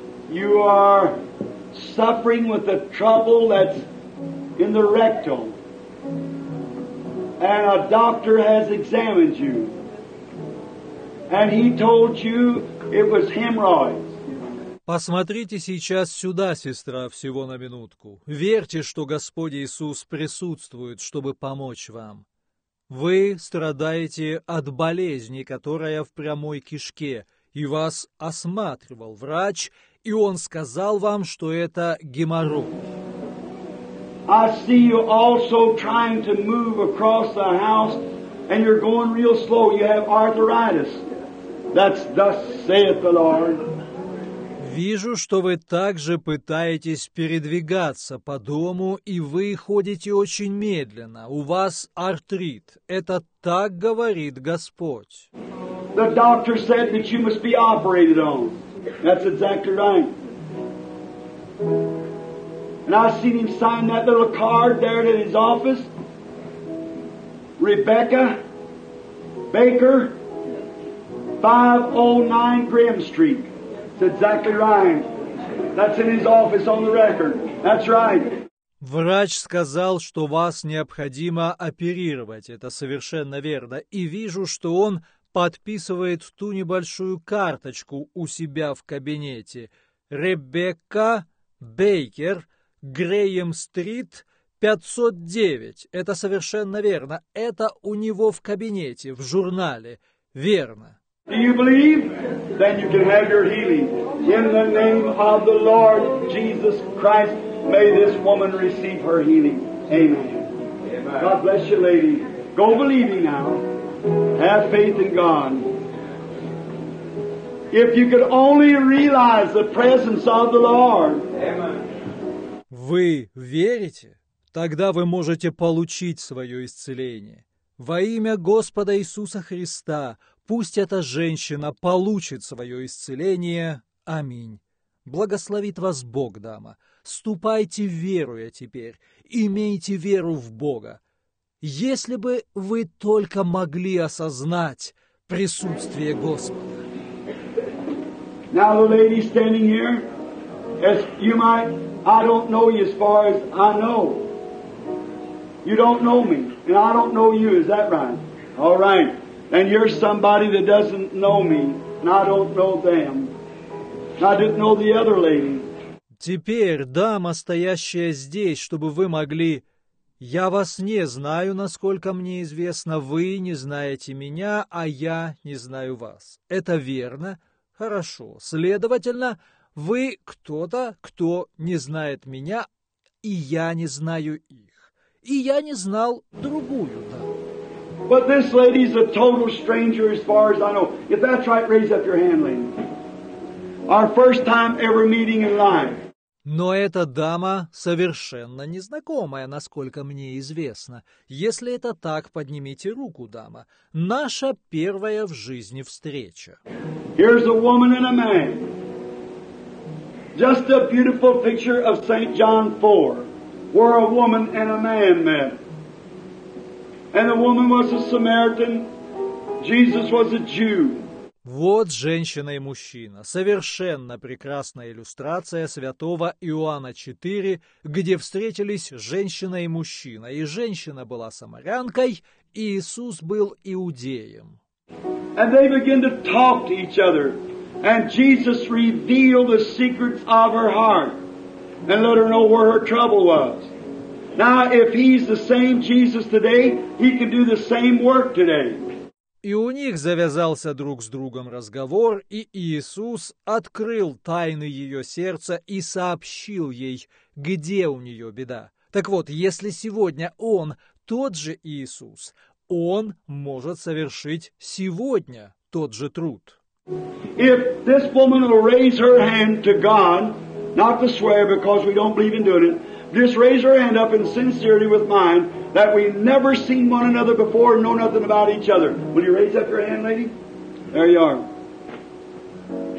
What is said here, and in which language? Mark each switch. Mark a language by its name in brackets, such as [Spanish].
[English] You are suffering with a trouble that's in the rectum, and a doctor has examined you. And he told you it was hemorrhoids. [Russian] Посмотрите сейчас сюда, сестра, всего на минутку. Верьте, что Господь Иисус присутствует, чтобы помочь вам. Вы страдаете от болезни, которая в прямой кишке, и вас осматривал врач, и он сказал вам, что это геморрой. [English] I see you also trying to move across the house, and you're going real slow. You have arthritis. That's thus saith the Lord. [Russian] Вижу, что вы также пытаетесь передвигаться по дому, и вы ходите очень медленно. У вас артрит. Это так говорит Господь. [English] The doctor said that you must be operated on. That's exactly right. And I seen him sign that little card there in his office. Rebecca Baker. 509 Graham Street. It's exactly right. That's in his office on the record. That's right. [Russian] Врач сказал, что вас необходимо оперировать. Это совершенно верно. И вижу, что он подписывает ту небольшую карточку у себя в кабинете. Ребекка Бейкер, Graham Street, 509. Это совершенно верно. Это у него в кабинете, в журнале. Верно. [English] Do you believe? Then you can have your healing. In the name of the Lord Jesus Christ, may this woman receive her healing. Amen. God bless you, lady. Go believing now. Have faith in God. If you could only realize the presence of the Lord. [Russian] Вы верите? Тогда вы можете получить свое исцеление. Во имя Господа Иисуса Христа, пусть эта женщина получит свое исцеление. Аминь. Благословит вас Бог, дама. Ступайте веруя теперь. Имейте веру в Бога. Если бы вы только могли осознать присутствие Господа. [English] Now the lady standing here, as you might, I don't know you as far as I know. You don't know me, and I don't know you, is that right? All right. And you're somebody that doesn't know me, and I don't know them. I didn't know the other lady. [Russian] Теперь дама, стоящая здесь, чтобы вы могли... Я вас не знаю, насколько мне известно. Вы не знаете меня, а я не знаю вас. Это верно? Хорошо. Следовательно, вы кто-то, кто не знает меня, и я не знаю их. И я не знал другую даму. [English] But this lady's a total stranger as far as I know. If that's right, raise up your hand, lady. Our first time ever meeting in life. [Russian] Но эта дама совершенно незнакомая, насколько мне известно. Если это так, поднимите руку, дама. Наша первая в жизни встреча. [English] Here's a woman and a man. Just a beautiful picture of St. John 4, where a woman and a man met. And the woman was a Samaritan, Jesus was a Jew. [Russian] Вот женщина и мужчина. Совершенно прекрасная иллюстрация святого Иоанна 4, где встретились женщина и мужчина. И женщина была самарянкой, и Иисус был иудеем. [English] And they began to talk to each other. And Jesus revealed the secrets of her heart and let her know where her trouble was. Now, if he's the same Jesus today, he can do the same work today. [Russian] И у них завязался друг с другом разговор, и Иисус открыл тайны ее сердца и сообщил ей, где у нее беда. Так вот, если сегодня Он тот же Иисус, Он может совершить сегодня тот же труд. [English] If this woman will raise her hand to God, not to swear because we don't believe in doing it, just raise her hand up in sincerity with mine, that we've never seen one another before and know nothing about each other. Will you raise up your hand, lady? There you are.